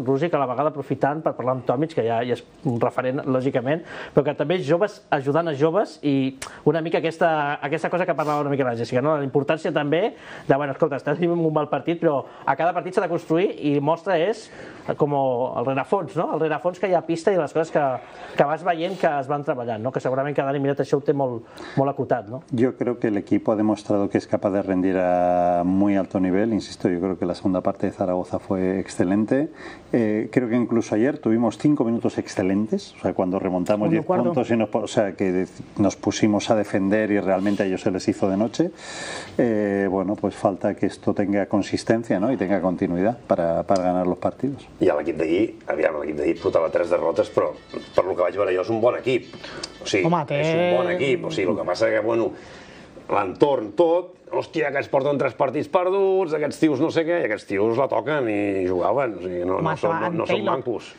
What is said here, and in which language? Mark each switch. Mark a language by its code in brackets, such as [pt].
[ca] Rússic a la vegada aprofitant per parlar amb Tomic, que ja és un referent, lògicament, però que també joves ajudant a joves i una mica aquesta cosa que parlava una mica la Jessica, no? La importància també de, bueno, escolta, estàs vivint un mal partit, però a cada partit s'ha de construir i mostra és com el rerefons, no? El rerefons que hi ha pista i les coses que vas veient que es van treballant, no? Que segurament que Dani Miret això ho té molt acotat, no? [es] Yo creo que el equipo ha demostrado que es capaz de rendir a muy alto nivel, insisto, yo creo que la segunda parte de Zaragoza fue excelente, creo que incluso ayer tuvimos 5 minutos excelentes, o sea, cuando remontamos 10 puntos y nos pusimos a defender y realmente a ellos se les hizo de noche, bueno, pues falta que esto tenga consistencia, no? Y tenga continuidad para ganar los partidos. [ca] I l'equip d'ahir, aviam, l'equip d'ahir portava 3 derrotes, però per el que vaig veure jo és un bon equip. El que passa és que, bueno, l'entorn tot, hòstia, aquests porten 3 partits perduts, aquests tios no sé què, i aquests tios la toquen i jugaven, o sigui, no són mancos.